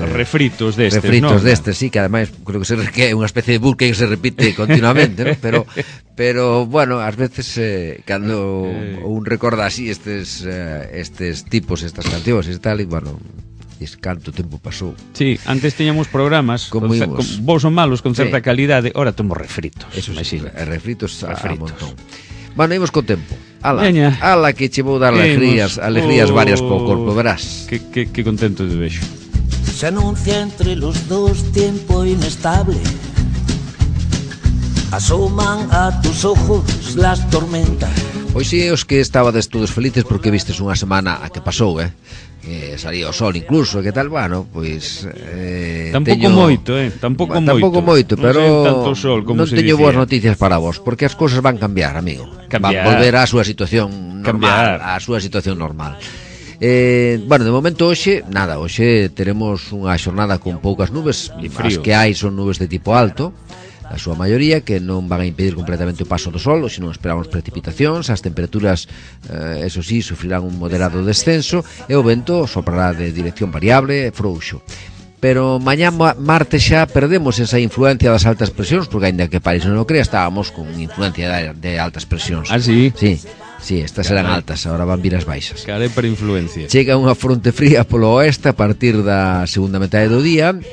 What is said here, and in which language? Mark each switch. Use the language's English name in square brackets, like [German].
[Galician] refritos destes, refritos destes, sí, que ademais creo que é unha especie de bucle que se repite continuamente, ¿no? pero bueno, ás veces cando un recorda así estes tipos, estas cancións e tal, e bueno, es canto tempo pasou. Sí, antes teñamos programas con vos son malos, con certa calidade, ahora temos refritos. Eso sí, refritos a montón. Bueno, imos co tempo. Ala, que che vou dar alegrías varias pro corpo, verás. Que contento te vexo. [Spanish] Se anuncia entre los dos tiempo inestable. Asoman a tus ojos las tormentas. [Galician] Pois si, os que estaba de estudos felices porque vistes unha semana a que pasou, salía o sol incluso, que tal, bueno, pois... Tampouco moito, pero tanto sol, como non se teño dicía. Boas noticias para vos, porque as cousas van cambiar, amigo. Cambiar. Van volver á súa situación normal. Cambiar. A súa situación normal. Bueno, de momento hoxe, nada, hoxe teremos unha xornada con poucas nubes. As que hai son nubes de tipo alto, a súa maioría, que non van a impedir completamente o paso do sol, se non esperamos precipitacións. As temperaturas, eso sí, sufrirán un moderado descenso e o vento soprará de dirección variable e frouxo. Pero mañá martes xa perdemos esa influencia das altas presións, porque aínda que parece non o crea, estábamos con influencia de altas presións. Ah, sí? Sí. Sí, estas serán altas, agora van vir as baixas. Cale para influencia. Chega unha fronte fría polo oeste a partir da segunda metade do día.